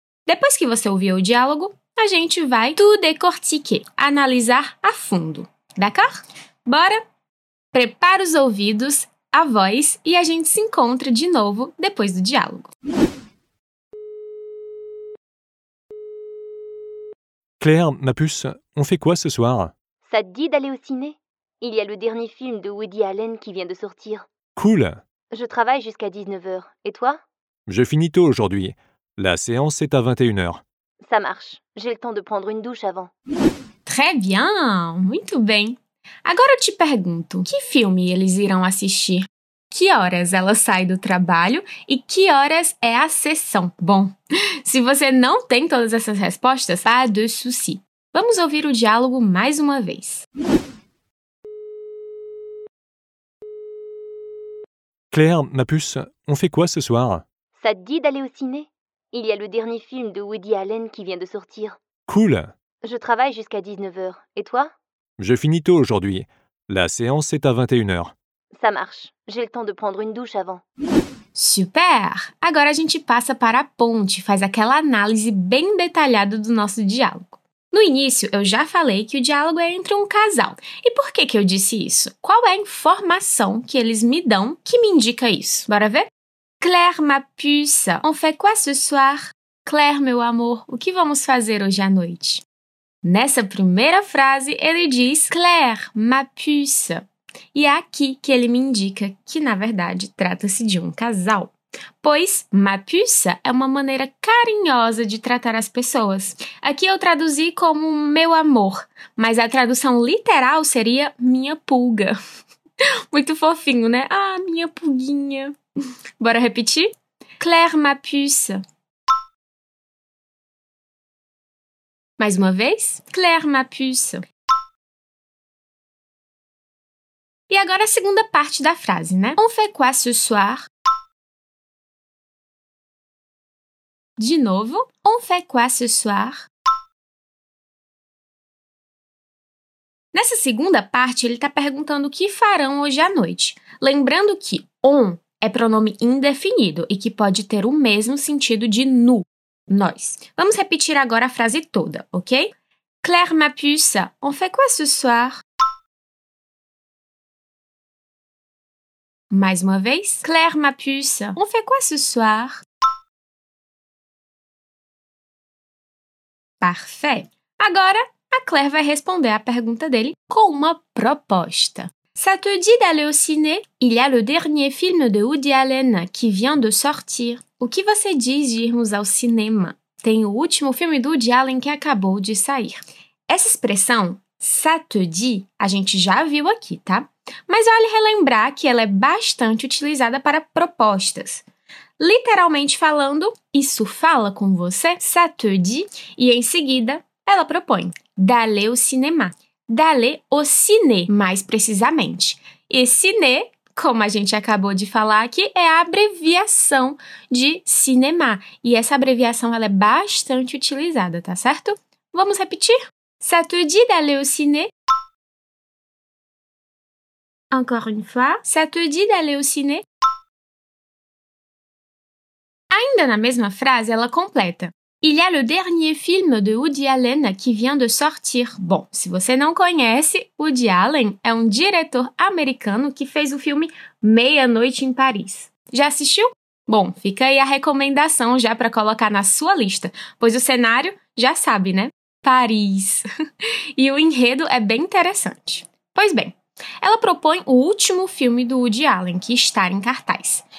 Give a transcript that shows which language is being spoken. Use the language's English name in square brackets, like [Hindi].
[Portuguese] Depois que você ouvir o diálogo, a gente vai [French] tout décortiquer, [Portuguese] analisar a fundo. [French] D'accord? [Portuguese] Bora! Prepara os ouvidos, a voz, e a gente se encontra de novo depois do diálogo. [French] Claire, ma puce, on fait quoi ce soir? Ça te dit d'aller au ciné? Il y a le dernier film de Woody Allen qui vient de sortir. Cool! Je travaille jusqu'à 19h. Et toi? Je finis tôt aujourd'hui. La séance est à 21h. Ça marche. J'ai le temps de prendre une douche avant. Très bien! [Portuguese] Muito bem! Agora eu te pergunto, que filme eles irão assistir? Que horas ela sai do trabalho e que horas é a sessão? Bom, se você não tem todas essas respostas, [French] pas de souci. [Portuguese] Vamos ouvir o diálogo mais uma vez. [French] Claire, ma puce, on fait quoi ce soir? Ça te dit d'aller au ciné? Il y a le dernier film de Woody Allen qui vient de sortir. Cool! Je travaille jusqu'à 19h. Et toi? Je finis tôt aujourd'hui. La séance est à 21h. Ça marche. J'ai le temps de prendre une douche avant. Super! [Portuguese] Agora a gente passa para a ponte e faz aquela análise bem detalhada do nosso diálogo. No início, eu já falei que o diálogo é entre um casal. E por que eu disse isso? Qual é a informação que eles me dão que me indica isso? Bora ver? [French] Claire, ma puce, on fait quoi ce soir? [Portuguese] Claire, meu amor, o que vamos fazer hoje à noite? Nessa primeira frase, ele diz [French] Claire, ma puce. [Portuguese] E é aqui que ele me indica que, na verdade, trata-se de um casal. Pois ma puce é uma maneira carinhosa de tratar as pessoas. Aqui eu traduzi como meu amor, mas a tradução literal seria minha pulga. Muito fofinho, né? Ah, minha pulguinha. Bora repetir? [French] Claire, ma puce. [Portuguese] Mais uma vez, Claire, [French] ma puce. [Portuguese] E agora a segunda parte da frase, né? [French] On fait quoi ce soir? [Portuguese] De novo, [French] on fait quoi ce soir? [Portuguese] Nessa segunda parte, ele está perguntando o que farão hoje à noite. Lembrando que on é pronome indefinido e que pode ter o mesmo sentido de nu, nós. Vamos repetir agora a frase toda, ok? [French] Claire, ma puce, on fait quoi ce soir? [Portuguese] Mais uma vez. [French] Claire, ma puce, on fait quoi ce soir? Parfait. [Portuguese] Agora, a Claire vai responder a pergunta dele com uma proposta. [French] Ça te dit d'aller au ciné? Il y a le dernier film de Woody Allen qui vient de sortir. [Portuguese] O que você diz de irmos ao cinema? Tem o último filme do Woody Allen que acabou de sair. Essa expressão, [French] ça te dit, [Portuguese] a gente já viu aqui, tá? Mas vale relembrar que ela é bastante utilizada para propostas. Literalmente falando, isso fala com você, [French] ça te dit, [Portuguese] e em seguida, ela propõe, [French] d'aller au cinéma, d'aller au ciné, [Portuguese] mais precisamente. E ciné, como a gente acabou de falar aqui, é a abreviação de cinéma. E essa abreviação ela é bastante utilizada, tá certo? Vamos repetir? [French] Ça te dit d'aller au ciné? Encore une fois, ça te dit d'aller au ciné? [Portuguese] Ainda na mesma frase, ela completa. [French] Il y a le dernier film de Woody Allen qui vient de sortir. [Portuguese] Bom, se você não conhece, Woody Allen é um diretor americano que fez o filme Meia-Noite em Paris. Já assistiu? Bom, fica aí a recomendação já para colocar na sua lista, pois o cenário já sabe, né? Paris. E o enredo é bem interessante. Pois bem. Ela propõe o último filme do Woody Allen, que está em cartaz.